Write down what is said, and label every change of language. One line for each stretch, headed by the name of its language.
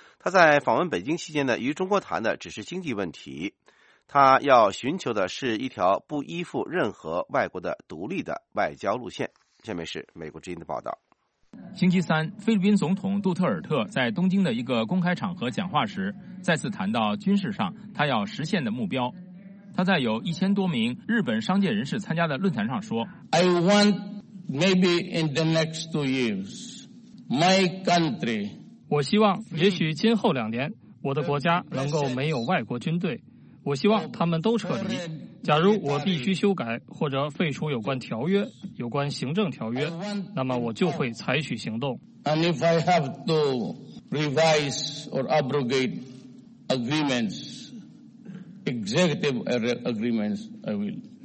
Chinese: 他在访问北京期间呢，与中国谈的只是经济问题，他要寻求的是一条不依附任何外国的独立的外交路线。下面是美国之音的报道。星期三，菲律宾总统杜特尔特在东京的一个公开场合讲话时，再次谈到军事上他要实现的目标。他在有1000多名日本商界人士参加的论坛上说
English: I want maybe in the next 2 years my country
Chinese: 我希望也许今后2年我的国家能够没有外国军队，我希望他们都撤离。假如我必须修改或者废除有关条约、有关行政条约，那么我就会采取行动。
English: And if I have to revise or abrogate agreements, executive agreements, I will.